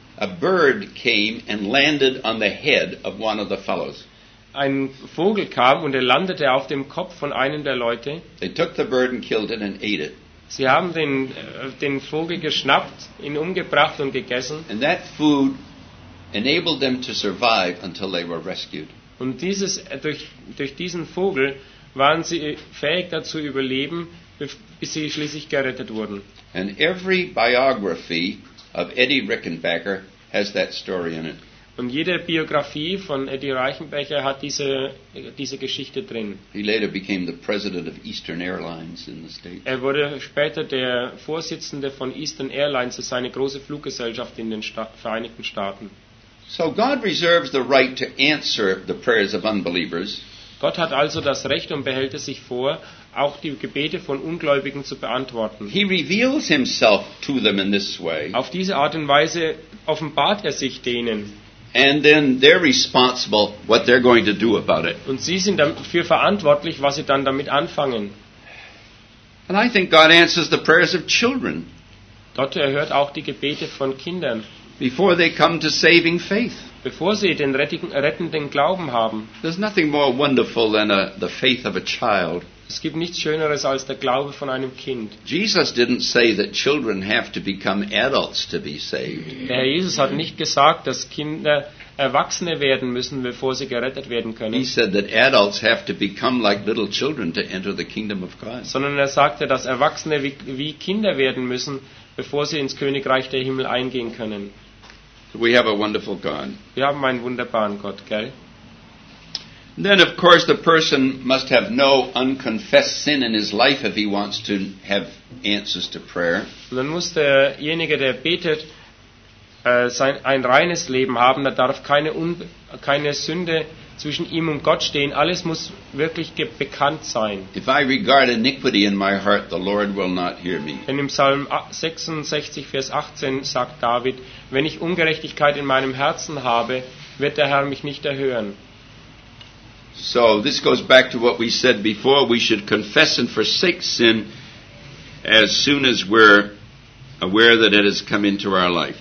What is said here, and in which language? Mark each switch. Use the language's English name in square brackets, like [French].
[English] A bird came and landed on the head of one of the fellows. [German] Ein Vogel kam und er landete auf dem Kopf von einem der Leute. [English] They took the bird and killed it and ate it. [German] Sie haben den Vogel geschnappt, ihn umgebracht und gegessen. [English] And that food enabled them to survive until they were rescued. [German] Und durch diesen Vogel waren sie fähig dazu überleben, bis sie schließlich gerettet wurden. [English] And every biography of Eddie Rickenbacker has that story in it. [German] Und jede Biografie von Eddie Reichenbacher hat diese Geschichte drin. [English] He later became the president of Eastern Airlines in the States. [German] Er wurde später der Vorsitzende von Eastern Airlines, das ist eine große Fluggesellschaft in den Vereinigten Staaten. [English] So God reserves the right to answer the prayers of unbelievers. [German] Gott hat also das Recht und behält es sich vor, auch die Gebete von Ungläubigen zu beantworten. [English] He reveals himself to them in this way. [German] Auf diese Art und Weise offenbart er sich denen. [English] And then they're responsible what they're going to do about it. [German] Und sie sind dafür verantwortlich, was sie dann damit anfangen. [English] And I think God answers the prayers of children. [German] Gott erhört auch die Gebete von Kindern. [English] Before they come to saving faith. [German] Bevor sie den rettenden Glauben haben. [English] There's nothing more wonderful than the faith of a child. [German] Es gibt nichts Schöneres als der Glaube von einem Kind. [English] Jesus didn't say that children have to become adults to be saved. [German] Der Herr Jesus hat nicht gesagt, dass Kinder Erwachsene werden müssen, bevor sie gerettet werden können. [English] He said that adults have to become like little children to enter the kingdom of God. [German] Sondern er sagte, dass Erwachsene wie Kinder werden müssen, bevor sie ins Königreich der Himmel eingehen können. [English] So we have a wonderful God. [German] Wir haben einen wunderbaren Gott, gell? [English] Then of course the person must have no unconfessed sin in his life if he wants to have answers to prayer. [German] Dann muss derjenige, der betet, ein reines Leben haben. Da darf keine Sünde zwischen ihm und Gott stehen. Alles muss wirklich bekannt sein. [English] If I regard iniquity in my heart, the Lord will not hear me. [German] Denn im Psalm 66, Vers 18 sagt David, wenn ich Ungerechtigkeit in meinem Herzen habe, wird der Herr mich nicht erhören. [English] So this goes back to what we said before. We should confess and forsake sin as soon as we're aware that it has come into our life.